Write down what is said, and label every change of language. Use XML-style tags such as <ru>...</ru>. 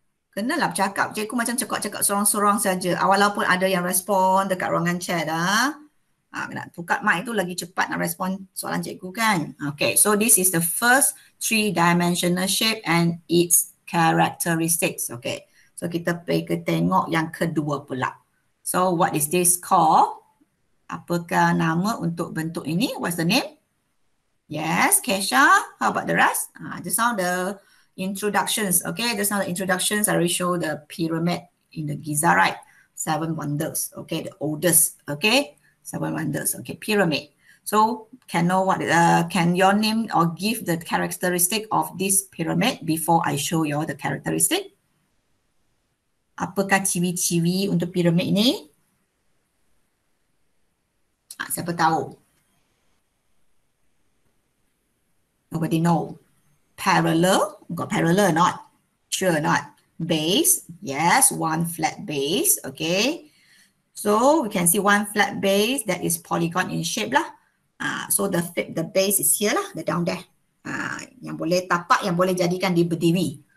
<ms>Kenalah cakap je, aku macam cakap-cakap sorang-sorang saja. Walaupun ada yang respon dekat ruangan chat nak buka mic tu lagi cepat nak respon soalan cikgu kan?</ms> <en>Okay, so this is the first three dimensional shape and its characteristics, okay?</en> <ms>So kita pergi tengok yang kedua pula.</ms> <en>So what is this called?</en> <ms>Apakah nama untuk bentuk ini?</ms> <en>What's the name? Yes, Kesha. How about the rest? Just now the introductions. Okay, just now the introductions, I already show the pyramid in the Giza, right? Seven wonders. Okay, the oldest. Okay, seven wonders. Okay, pyramid. So can know what can your name or give the characteristic of this pyramid before I show you the characteristic?</en> <ms>Apakah ciri-ciri untuk piramid ini? Siapa tahu?</ms> <en>Nobody know. Parallel? Got parallel or not? Sure or not? Base? Yes, one flat base. Okay. So we can see one flat base that is polygon in shape lah. So the base is here lah, the down there.</en> <ms>Yang boleh tapak, yang boleh jadikan dia berdiri.</ms>